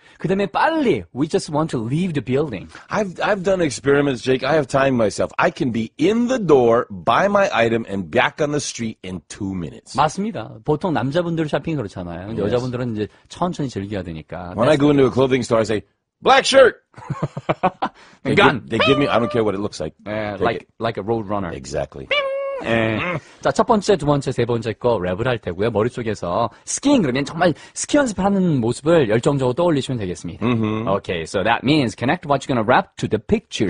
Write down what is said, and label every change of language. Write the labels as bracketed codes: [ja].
[ko] 그다음에 빨리, [en] we just want to leave the building. I've done experiments, Jake. I have timed myself. I can be in the door, buy my item, and back on the street in 2 minutes. [ko] 맞습니다. 보통 남자분들 샤핑 그렇잖아요. 근데 [en] yes. [ko] 여자분들은 이제 천천히 즐겨야 되니까. [en] When I go into a clothing store, I say, black shirt! And gun! They give me, I don't care what it looks like. Like a road runner. Exactly. [ko] 네. 자, 첫 번째, 두 번째, 세 번째 거 랩을 할 테고요. 머릿속에서 스키잉 그러면 정말 스키 연습하는 모습을 열정적으로 떠올리시면 되겠습니다. Mm-hmm. [en] Okay, so that means connect what you're gonna rap to the picture.